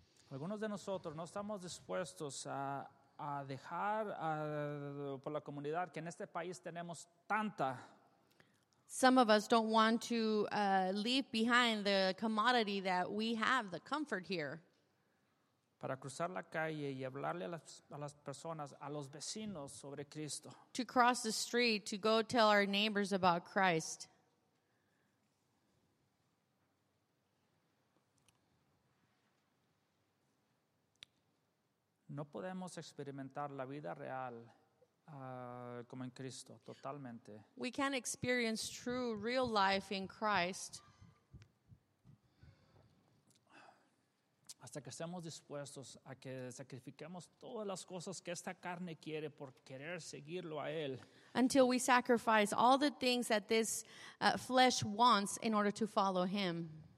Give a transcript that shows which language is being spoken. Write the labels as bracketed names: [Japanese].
[Spanish] Algunos de nosotros no estamos dispuestos a dejar por la comunidad que en este país tenemos tanta. [English] Some of us don't want to leave behind the commodity that we have, the comfort here. [Spanish] para cruzar la calle y hablarle a las personas, a los vecinos sobre Cristo. [English] To cross the street, to go tell our neighbors about Christ. [Spanish] No podemos experimentar la vida real como en Cristo, totalmente. [English] We can't experience true, real life in Christ. [Spanish] Hasta que estemos dispuestos a que sacrifiquemos todas las cosas que esta carne quiere por querer seguirlo a Él. [English] Until we sacrifice all the things that this flesh wants in order to follow Him.